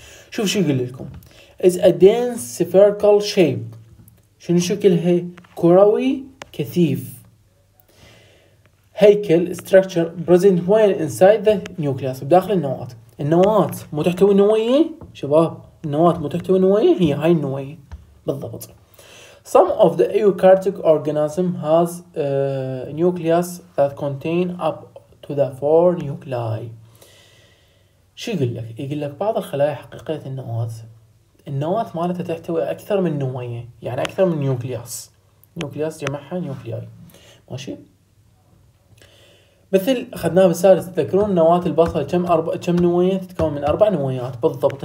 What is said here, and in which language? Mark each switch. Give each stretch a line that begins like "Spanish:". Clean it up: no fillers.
Arabic: شوف شو يقول لكم،
English: is a dense spherical shape،
Arabic: شنو شكلها؟ كروي كثيف، هيكل
English: structure present when inside the nucleus،
Arabic: بداخل النواة. النواة مو تحتوي نواية شباب، النواة مو تحتوي نواية، هي هاي النواية بالضبط.
English: Some of the eukaryotic organism has nucleus that contain up to the 4 nuclei.
Arabic: شو يقول لك؟ يقول لك بعض الخلايا حقيقية النواة، النواة مالتها تحتوي أكثر من نواية، يعني أكثر من نيوكلياس. نيوكلياس جمعها نيوكلياي، ماشي؟ مثل أخذناها بالسادس، تذكرون نواة البصل كم كم نواية؟ تتكون من 4 نوايات بالضبط.